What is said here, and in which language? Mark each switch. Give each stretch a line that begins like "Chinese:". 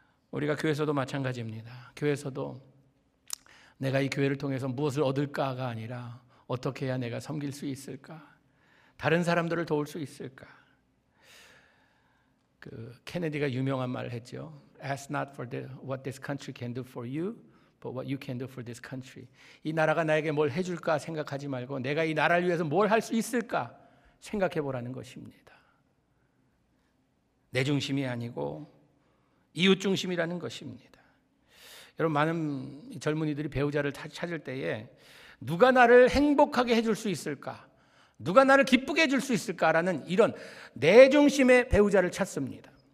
Korean: 우리가 교회에서도 마찬가지입니다. 교회에서도 내가 이 교회를 통해서 무엇을 얻을까가 아니라 어떻게 해야 내가 섬길 수 있을까, 다른 사람들을 도울 수 있을까. 그 케네디가 유명한 말을 했죠.
English: Ask not for what this country can do for you, what you can do for this country.
Korean: 이 나라가 나에게 뭘 해줄까 생각하지 말고 내가 이 나라를 위해서 뭘 할 수 있을까 생각해보라는 것입니다. 내 중심이 아니고 이웃 중심이라는 것입니다. 여러분 많은 젊은이들이 배우자를 찾을 때에 누가 나를 행복하게 해줄 수 있을까, 누가 나를 기쁘게 해줄 수 있을까라는 이런 내 중심의 배우자를 찾습니다.